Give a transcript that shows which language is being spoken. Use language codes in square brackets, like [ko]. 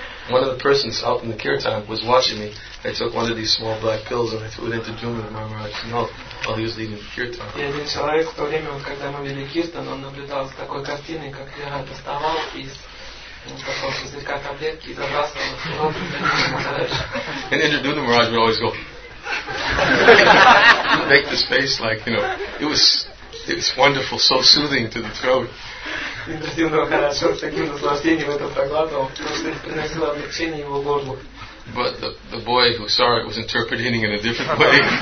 [en] One of the persons out in the kirtan was watching me. I took one of these small black pills and I threw it into Jumana Maharaj's mouth while he was leading the kirtan. [ru] И один человек в то время, вот когда мы вели киртан, он наблюдал за такой картиной, как я доставал из такого пузырька таблетки и забрасывал в рот Jumana Maharaj. [en] And then Jumana Maharaj would always go, make this face like, you know, it was wonderful, so soothing to the throat. But the boy who saw it was interpreting in a different way.